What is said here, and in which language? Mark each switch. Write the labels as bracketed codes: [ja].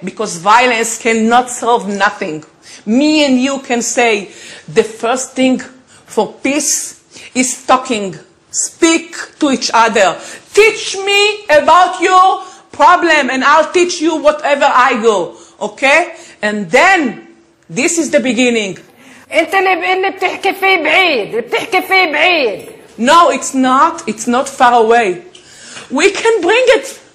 [en] Because violence cannot solve nothing. Me and you can say, the first thing for peace is talking. Speak to each other. Teach me about your problem and I'll teach you whatever I go, okay? And then, this is the beginning. [ar] انت اللي بتحكي فيه بعيد بتحكي فيه بعيد [en] No, it's not far away we can bring it